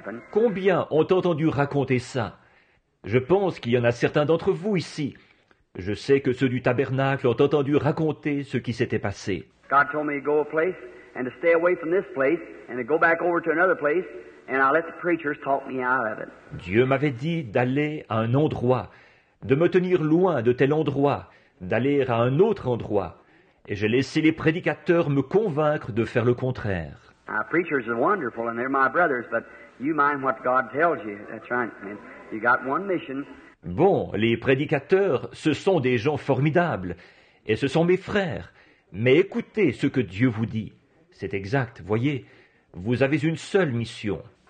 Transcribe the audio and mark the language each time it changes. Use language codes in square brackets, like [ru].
[fr] Combien ont entendu raconter ça? Je pense qu'il y en a certains d'entre vous ici. Je sais que ceux du tabernacle ont entendu raconter ce qui s'était passé. [en] God told me to go a place. And to stay away from this place, and to go back over to another place, and I let the preachers talk me out of it. [fr] Dieu m'avait dit d'aller à un endroit, de me tenir loin de tel endroit, d'aller à un autre endroit, et j'ai laissé les prédicateurs me convaincre de faire le contraire. [en] Our preachers are wonderful, and they're my brothers, but you mind what God tells you. That's right. And you got one mission. [fr] Bon, les prédicateurs, ce sont des gens formidables, et ce sont mes frères. Mais écoutez ce que Dieu vous dit. C'est exact. Voyez, vous avez une seule mission.